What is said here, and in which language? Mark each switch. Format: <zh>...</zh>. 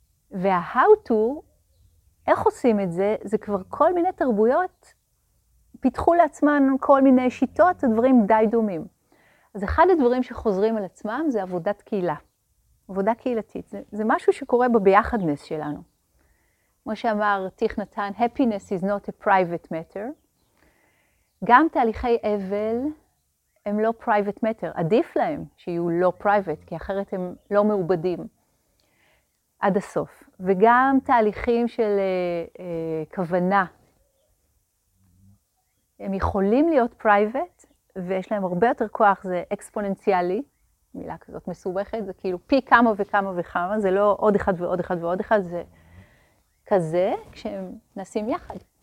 <he>וה-</he> <en>how to,</en> <he>איך עושים את זה, זה כבר כל מיני תרבויות פיתחו לעצמן כל מיני שיטות, הדברים די דומים. אז אחד הדברים שחוזרים על עצמם זה עבודת קהילה. עבודה קהילתית. זה משהו שקורה בביחדנס שלנו. כמו שאמר תיך נתן,</he> <en>happiness is not a private matter.</en> <he>גם תהליכי אבל הם לא</he> <en>private matter.</en> <he>עדיף להם שיהיו לא private, כי אחרת הם לא מעובדים. עד הסוף. וגם תהליכים של כוונה. הם יכולים להיות פרייבט, ויש להם הרבה יותר כוח, זה אקספוננציאלי, מילה כזאת מסובכת, זה כאילו פי כמה וכמה וכמה, זה לא עוד אחד ועוד אחד ועוד אחד, זה כזה, כשהם נשים יחד.</he>